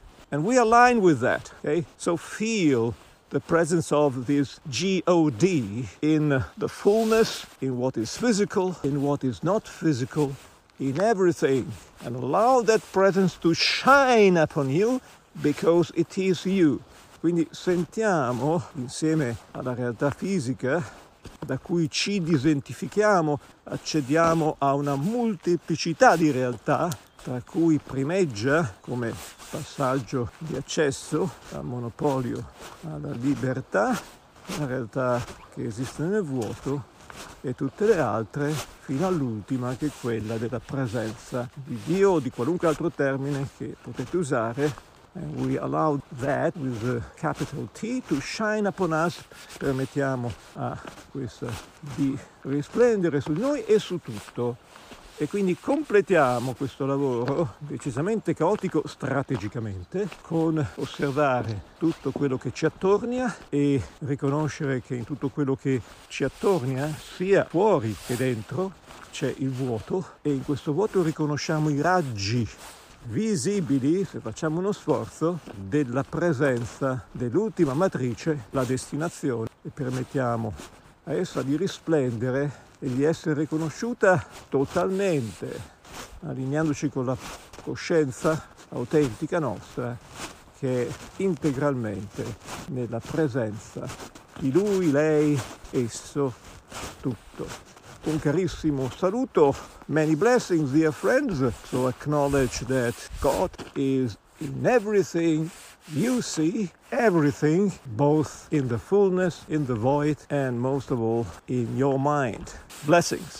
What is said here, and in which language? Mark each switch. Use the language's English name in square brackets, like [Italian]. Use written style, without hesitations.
[English] And we align with that, okay? So feel the presence of this God in the fullness, in what is physical, in what is not physical, in everything, and allow that presence to shine upon you because it is you. [Italian] Quindi sentiamo insieme alla realtà fisica da cui ci disidentifichiamo, accediamo a una molteplicità di realtà tra cui primeggia come passaggio di accesso dal monopolio alla libertà, la realtà che esiste nel vuoto e tutte le altre fino all'ultima che è quella della presenza di Dio o di qualunque altro termine che potete usare. [English] And we allow that with the capital T to shine upon us. [Italian] Permettiamo a questa di risplendere su noi e su tutto. E quindi completiamo questo lavoro decisamente caotico strategicamente con osservare tutto quello che ci attorna e riconoscere che in tutto quello che ci attorna, sia fuori che dentro, c'è il vuoto e in questo vuoto riconosciamo i raggi visibili, se facciamo uno sforzo, della presenza dell'ultima matrice, la destinazione, e permettiamo a essa di risplendere e di essere riconosciuta totalmente, allineandoci con la coscienza autentica nostra, che è integralmente nella presenza di lui, lei, esso, tutto. Un carissimo saluto, [English] many blessings, dear friends. So acknowledge that God is in everything you see, everything, both in the fullness, in the void, and most of all, in your mind. Blessings.